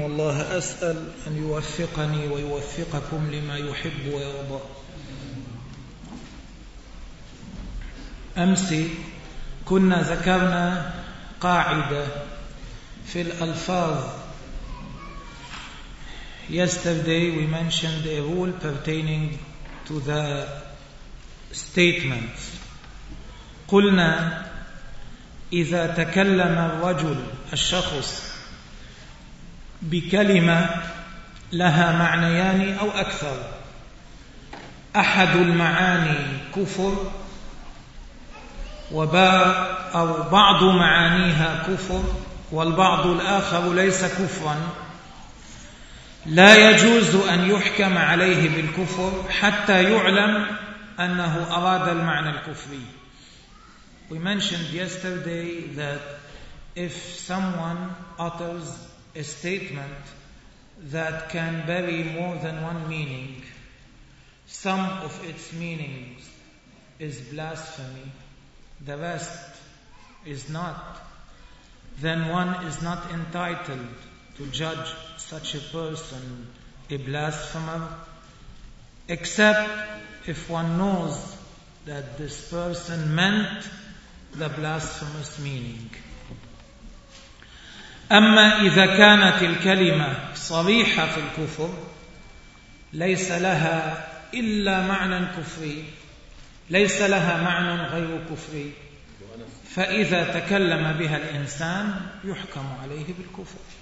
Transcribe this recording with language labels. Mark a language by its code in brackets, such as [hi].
[ar] والله أسأل أن يوفقني ويوفقكم لما يحب ويرضى. أمس كنا ذكرنا قاعدة في الألفاظ. [en] Yesterday we mentioned a rule pertaining to the statements. [ar] قلنا إذا تكلم الرجل الشخص بكلمة لها معنيان أو أكثر، أحد المعاني كفر وباء أو بعض معانيها كفر والبعض الآخر ليس كفرا، لا يجوز أن يحكم عليه بالكفر حتى يعلم أنه أراد المعنى الكفري. [en] We mentioned yesterday that if someone utters a statement that can bury more than one meaning, some of its meanings is blasphemy, the rest is not, then one is not entitled to judge such a person a blasphemer, except if one knows that this person meant the blasphemous meaning. [ar] أما إذا كانت الكلمة صريحة في الكفر ليس لها إلا معنى كفري، ليس لها معنى غير كفري، فإذا تكلم بها الإنسان يحكم عليه بالكفر.